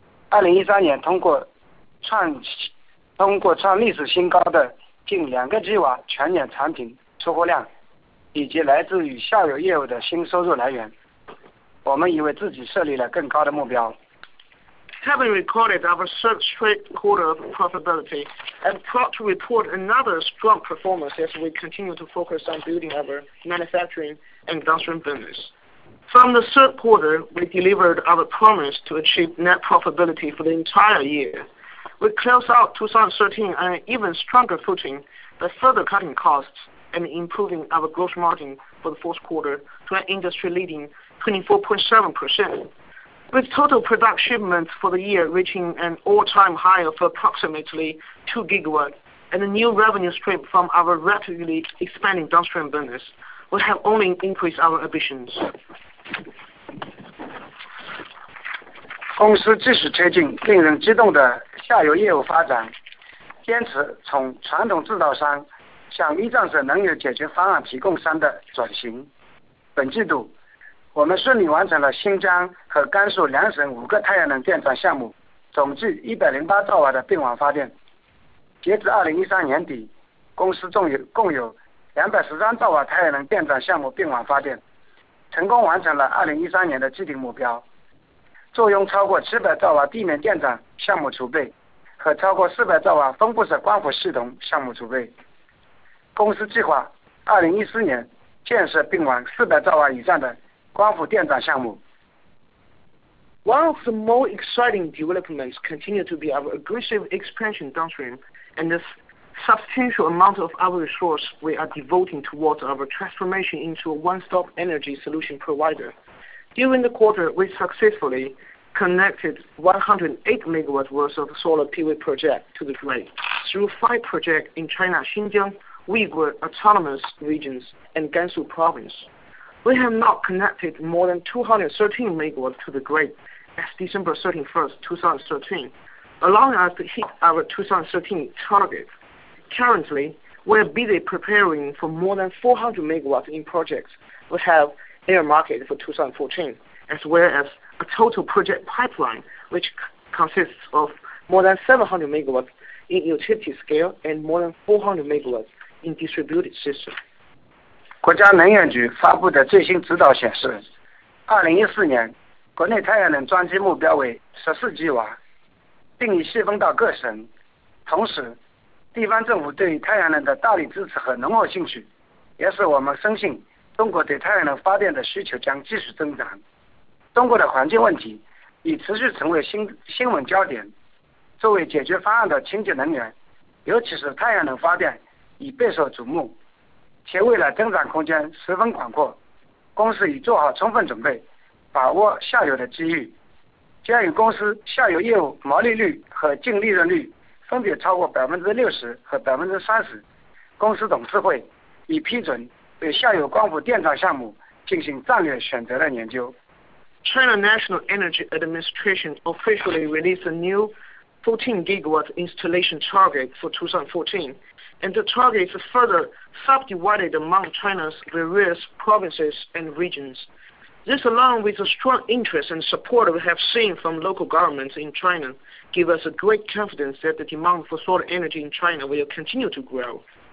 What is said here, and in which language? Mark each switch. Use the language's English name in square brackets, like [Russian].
[Chinese] 2013年通过创历史新高的近2个G瓦全年产品出货量，以及来自于下游业务的新收入来源，我们以为自己设立了更高的目标。 [English] Having recorded our third straight quarter of profitability, I'm proud to report another strong performance as we continue to focus on building our manufacturing and downstream business. From the third quarter, we delivered our promise to achieve net profitability for the entire year. We close out 2013 on an even stronger footing by further cutting costs and improving our gross margin for the fourth quarter to an industry-leading 24.7%. With total product shipments for the year reaching an all-time high of approximately 2 gigawatts and a new revenue stream from our rapidly expanding downstream business, we have only increased our ambitions. [Chinese] 公司继续推进令人激动的下游业务发展，坚持从传统制造商向一站式能源解决方案提供商的转型。本季度我们顺利完成了新疆和甘肃两省五个太阳能电站项目，总计108兆瓦的并网发电。截至2013年底，公司共有213兆瓦太阳能电站项目并网发电，成功完成了2013年的既定目标，坐拥超过700兆瓦地面电站项目储备和超过400兆瓦分布式光伏系统项目储备。公司计划2014年建设并网400兆瓦以上的光伏电站项目。 [English] One of the more exciting developments continue to be our aggressive expansion downstream and the substantial amount of our resource we are devoting towards our transformation into a one-stop energy solution provider. During the quarter, we successfully connected 108 megawatts worth of solar PV projects to the grid through 5 projects in China, Xinjiang, Uyghur Autonomous Regions, and Gansu Province. We have now connected more than 213 megawatts to the grid as December 31st, 2013, allowing us to hit our 2013 target. Currently, we are busy preparing for more than 400 megawatts in projects we have earmarked for 2014, as well as a total project pipeline, which consists of more than 700 megawatts in utility scale and more than 400 megawatts in distributed system. [Chinese] 国家能源局发布的最新指导显示，2014年国内太阳能装机目标为14吉瓦，并已细分到各省。同时，地方政府对于太阳能的大力支持和浓厚兴趣，也使我们深信中国对太阳能发电的需求将继续增长。中国的环境问题已持续成为新闻焦点。作为解决方案的清洁能源，尤其是太阳能发电已备受瞩目，且未来增长空间十分广阔。公司已做好充分准备，把握下游的机遇，将与公司下游业务毛利率和净利润率分别超过60%和30%，公司董事会已批准对下游光伏电站项目进行战略选择的研究。 [English] China National Energy Administration officially released a new 14 gigawatt installation target for 2014, and the target is further subdivided among China's various provinces and regions. This, along with the strong interest and support we have seen from local governments in China,give us a great confidence that the demand for solar energy in China will continue to grow.